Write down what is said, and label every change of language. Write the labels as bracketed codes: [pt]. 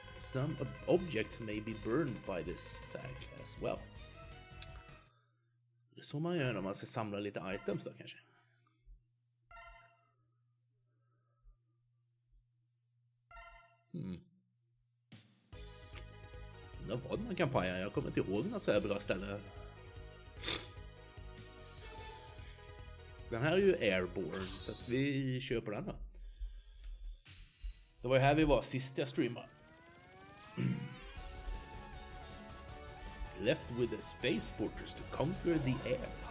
[en] Some objects may be burned by this attack as well. [sv] Det är så man gör när man ska samla lite items då kanske. Hmm. Det var den här kampanjen. Jag kommer inte ihåg något så här bra ställe. Den här är ju airborne, så att vi köper den då. Det var ju här vi var sist jag streamade. [en] Left with a space fortress to conquer the air.